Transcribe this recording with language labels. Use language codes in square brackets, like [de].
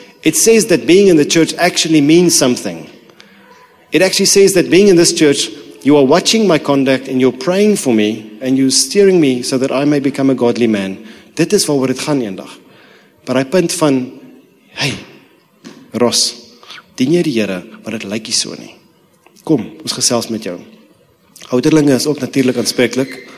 [en] It says that being in the church actually means something. It actually says that being in this church, you are watching my conduct and you're praying for me and you're steering me so that I may become a godly man. [af] Dit is waar het gaan eendag. Maar hy punt van, hey, Ros, dien jy die Here, maar dit lyk nie so nie. Kom, ons gesels met jou. Ouderlinge is ook natuurlik aanspreeklik.